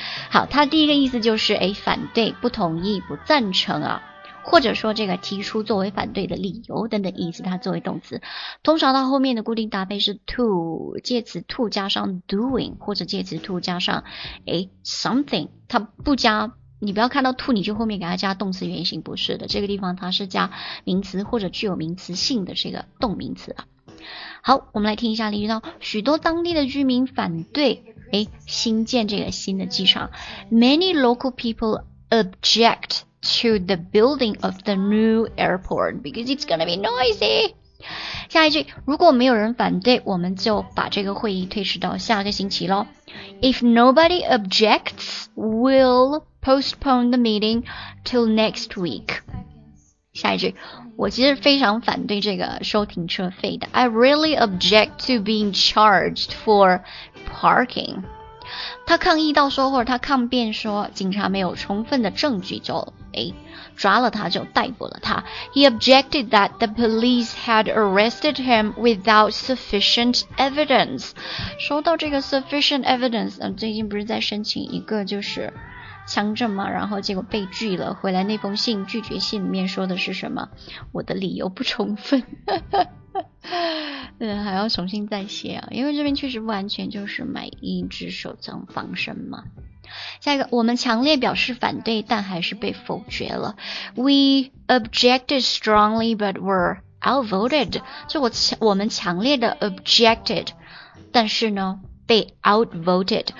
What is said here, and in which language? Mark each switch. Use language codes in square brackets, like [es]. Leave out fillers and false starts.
[zh] 好，它第一个意思就是反对、不同意、不赞成啊，或者说这个提出作为反对的理由等等意思，它作为动词，通常到后面的固定搭配是 to， 介词 to 加上 doing， 或者介词 to 加上something， 它不加，你不要看到 to 你就后面给它加动词原形，不是的，这个地方它是加名词或者具有名词性的这个动名词啊。好，我们来听一下例句，许多当地的居民反对新建这个新的机场。 [en] Many local people object to the building of the new airport because it's gonna be noisy. [zh] 下一句，如果没有人反对，我们就把这个会议推迟到下个星期咯。 [en] If nobody objects, we'll postpone the meeting till next week. [zh] 下一句，我其实非常反对这个收停车费的。 [en] I really object to being charged for parking. [zh] 他抗议到说，或者他抗辩说，警察没有充分的证据就抓了他，就逮捕了他。 [en] He objected that the police had arrested him without sufficient evidence. [zh] 说到这个 [en] sufficient evidence， [zh] 最近不是在申请一个就是枪证嘛，然后结果被拒了，回来那封信拒绝信里面说的是什么，我的理由不充分还要重新再写啊，因为这边确实不完全就是买一只手枪防身嘛。下一个，我们强烈表示反对但还是被否决了。 [en] We objected strongly but were outvoted， [zh] 就我们强烈的 [en] objected [zh] 但是呢被 [en] outvoted。